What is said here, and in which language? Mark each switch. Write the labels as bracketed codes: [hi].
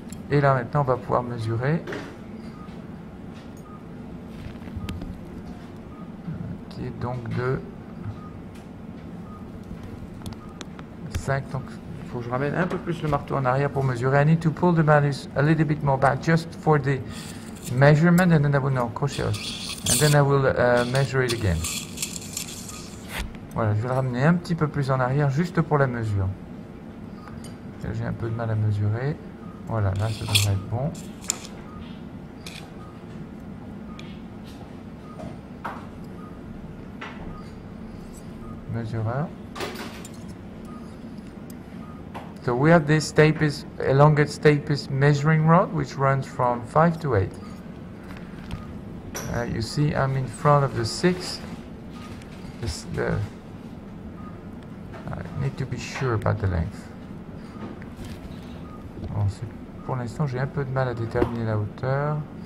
[fr] Et là maintenant, on va pouvoir mesurer. Donc de 5, donc il faut que je ramène un peu plus le marteau en arrière pour mesurer. [en] I need to pull the malleus a little bit more back just for the measurement, and then I will measure it again. [fr] Voilà, je vais le ramener un petit peu plus en arrière juste pour la mesure. J'ai un peu de mal à mesurer. Voilà, là ça devrait être bon. [en] So we have this stapes, elongate stapes measuring rod, which runs from 5 to 8. You see, I'm in front of the 6. I need to be sure about the length. [fr] Bon, pour l'instant, j'ai un peu de mal à déterminer la hauteur.